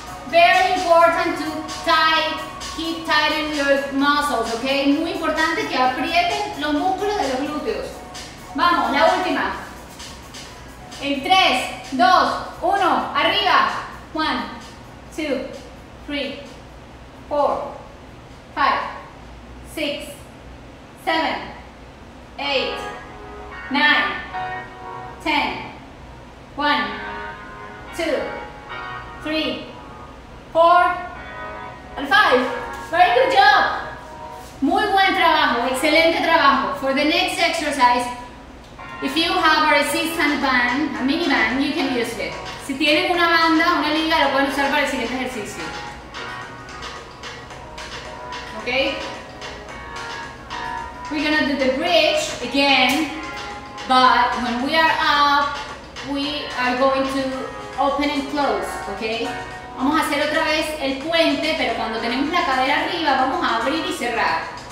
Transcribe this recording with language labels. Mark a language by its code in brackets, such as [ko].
[en] Very important to keep tightening your muscles, okay? [es] Muy importante que aprieten los músculos de los glúteos. Vamos, la última. En 3, 2, 1, arriba. [en] 1, 2, 3, 4, 5, 6, 7, 8, 9, 10, 1, 2, 3, 4, and 5. Very good job. [es] Muy buen trabajo, excelente trabajo. [en] For the next exercise, If you have a resistance band, a mini band, you can use it. [es] Si tienen una banda, una liga, lo pueden usar para el siguiente ejercicio. [en] Okay? We're gonna do the bridge again, but when we are up, we are going to open and close, okay? [es] Vamos a hacer otra vez el puente, pero cuando tenemos la cadera arriba, vamos a abrir y cerrar.